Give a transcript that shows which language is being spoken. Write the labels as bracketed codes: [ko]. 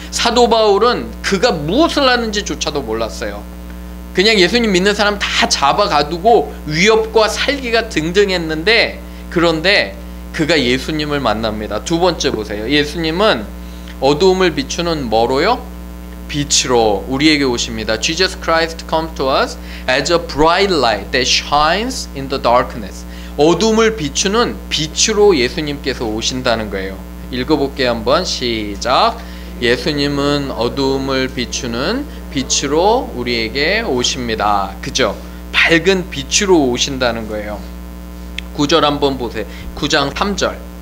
[ko] 사도 바울은 그가 무엇을 하는지조차도 몰랐어요. 그냥 예수님 믿는 사람 다 잡아가두고 위협과 살기가 등등했는데 그런데 그가 예수님을 만납니다. 두 번째 보세요. 예수님은 어두움을 비추는 뭐로요? 빛으로 우리에게 오십니다. [en] Jesus Christ comes to us as a bright light that shines in the darkness. [ko] 어둠을 비추는 빛으로 예수님께서 오신다는 거예요. 읽어볼게요. 한번 시작. 예수님은 어둠을 비추는 빛으로 우리에게 오십니다. 그죠? 밝은 빛으로 오신다는 거예요. 9절 한번 보세요. 9장 3절.